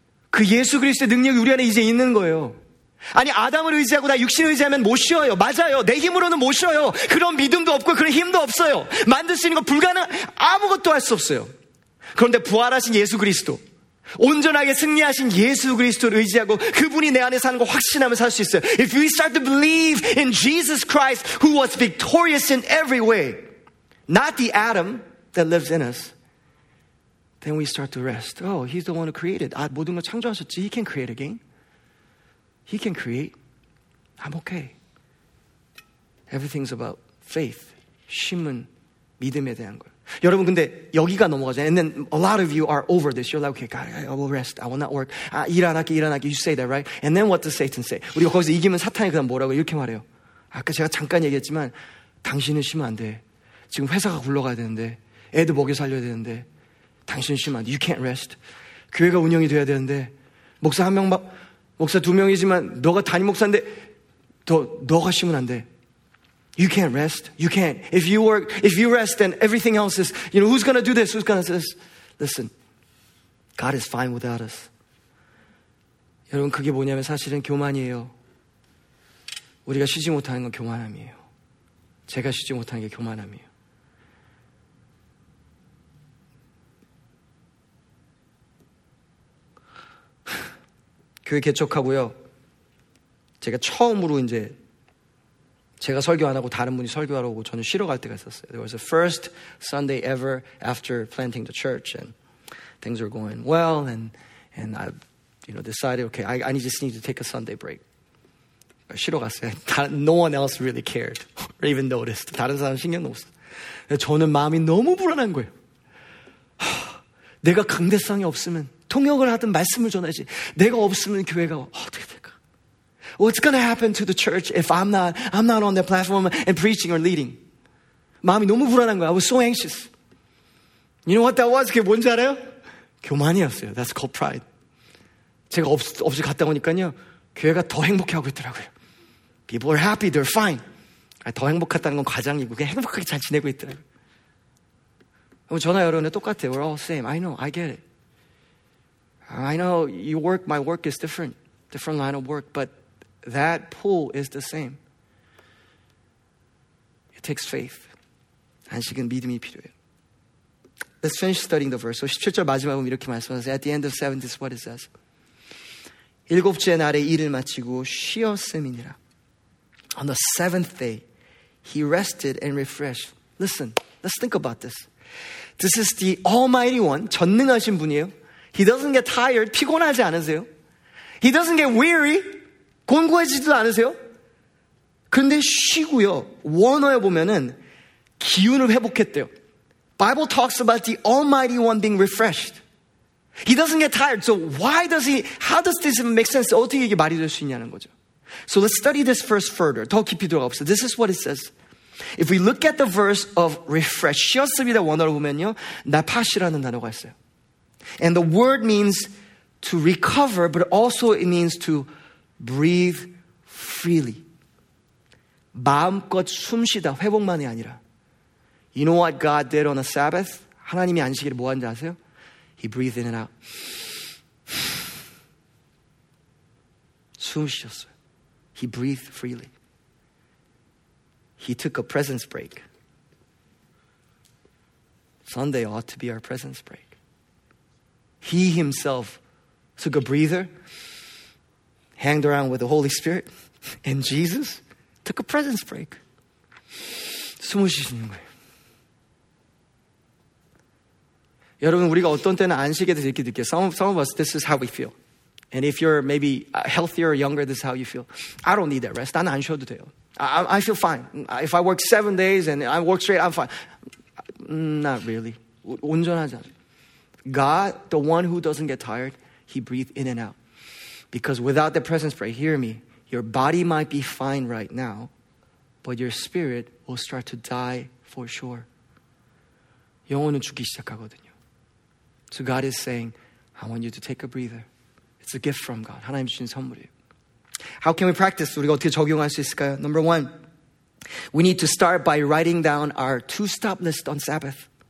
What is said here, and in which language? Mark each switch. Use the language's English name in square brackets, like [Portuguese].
[Korean] 그 예수 그리스도의 능력이 우리 안에 이제 있는 거예요. 아니, 아담을 의지하고 나 육신을 의지하면 못 쉬어요. 맞아요. 내 힘으로는 못 쉬어요. 그런 믿음도 없고 그런 힘도 없어요. 만들 수 있는 거 불가능, 아무것도 할 수 없어요. 그런데 부활하신 예수 그리스도, 온전하게 승리하신 예수 그리스도를 의지하고 그분이 내 안에 사는 거 확신하면서 살 수 있어요. [English] If we start to believe in Jesus Christ who was victorious in every way, not the Adam that lives in us, then we start to rest. Oh, he's the one who created. [Korean] 아, 모든 걸 창조하셨지. [English] He can create again. He can create. I'm okay. Everything's about faith. [Korean] 신문, 믿음에 대한 거예요. 여러분 근데 여기가 넘어가잖아요. [English] And then a lot of you are over this. You're like, okay, God, I will rest. I will not work. [Korean] 아, 일 안 할게, 일 안 할게. [English] You say that, right? And then what does Satan say? [Korean] 우리가 거기서 이기면 사탄이 그다음 뭐라고 이렇게 말해요. 아까 제가 잠깐 얘기했지만 당신은 쉬면 안 돼. 지금 회사가 굴러가야 되는데 애도 먹여 살려야 되는데 당신은 쉬면 안 돼. [English] You can't rest. [Korean] 교회가 운영이 돼야 되는데 목사 한 명, 목사 두 명이지만 너가 담임 목사인데 너가 쉬면 안 돼. [English] You can't rest. You can't. If you work, if you rest, then everything else is, you know, who's going to do this? Who's going to do this? Listen, God is fine without us. [Korean] 여러분, 그게 뭐냐면 사실은 교만이에요. 우리가 쉬지 못하는 건 교만함이에요. 제가 쉬지 못하는 게 교만함이에요. 교회 개척하고요. 제가 처음으로 이제 제가 설교 안 하고 다른 분이 설교하러 오고 저는 쉬러 갈 때가 있었어요. [English] There was the first Sunday ever after planting the church and things were going well and I, you know, decided, okay, I just need to take a Sunday break. [Korean] 쉬러 갔어요. [English] No one else really cared or even noticed. [Korean] 다른 사람 신경도 못 써. 저는 마음이 너무 불안한 거예요. 내가 강대상이 없으면 통역을 하든 말씀을 전하지 내가 없으면 교회가 어떻게 될까? [English] What's going to happen to the church if I'm not on the platform and preaching or leading? [Korean] 마음이 너무 불안한 거야. [English] I was so anxious. You know what that was? [Korean] 그게 뭔지 알아요? 교만이었어요. [English] That's called pride. [Korean] 제가 없이 갔다 오니까요. 교회가 더 행복해하고 있더라고요. [English] People are happy. They're fine. [Korean] 더 행복하다는 건 과장이고 그냥 행복하게 잘 지내고 있더라고요. 저나 여러분의 똑같아요. [English] We're all same. I know. I get it. I know your work, my work is different. Different line of work. But that pull is the same. It takes faith. [Korean] 안식은 믿음이 필요해요. [English] Let's finish studying the verse. So [Korean] 17절 마지막은 이렇게 말씀하세요. [English] At the end of 7, this is what it says. [Korean] 일곱째 날에 일을 마치고 쉬었음이니라. [English] On the seventh day, he rested and refreshed. Listen, let's think about this. This is the Almighty One, [Korean] 전능하신 분이에요. [English] He doesn't get tired, [Korean] 피곤하지 않으세요. [English] He doesn't get weary. [Korean] 곤고해지지도 않으세요? 그런데 쉬고요. 원어에 보면은 기운을 회복했대요. [English] Bible talks about the Almighty One being refreshed. He doesn't get tired. So why does he, how does this make sense? [Korean] 어떻게 이게 말이 될 수 있냐는 거죠. [English] So let's study this verse further. [Korean] 더 깊이 들어가 봅시다. [English] This is what it says. If we look at the verse of refresh, [Korean] 쉬었습니다. 원어로 보면요. 나파시라는 단어가 있어요. [English] And the word means to recover, but also it means to breathe freely. [Korean] 마음껏 숨쉬다, 회복만이 아니라. [English] You know what God did on the Sabbath? [Korean] 하나님이 안식일에 뭐 하는지 아세요? [English] He breathed in and out. [Korean] 숨 쉬었어요. [English] He breathed freely. He took a presence break. Sunday ought to be our presence break. He himself took a breather, hanged around with the Holy Spirit, and Jesus took a presence break. [Korean] 숨 쉬시는 거예요. 여러분, 우리가 어떤 때는 안식에 대해서 이렇게 느껴요. [English] Some of us, this is how we feel. And if you're maybe healthier or younger, this is how you feel. I don't need that rest. [Korean] 나는 안 쉬어도 돼요. [English] I feel fine. If I work 7 days and I work straight, I'm fine. Not really. [Korean] 온전하지 않아요. [English] God, the one who doesn't get tired, he breathes in and out. Because without the presence break, hear me, your body might be fine right now, but your spirit will start to die for sure. [Korean] 영혼은 죽기 시작하거든요. [English] So God is saying, I want you to take a breather. It's a gift from God. [Korean] 하나님 주신 선물이에요. [English] How can we practice? [Korean] 우리가 어떻게 적용할 수 있을까요? [English] Number one, we need to start by writing down our two-stop list on Sabbath.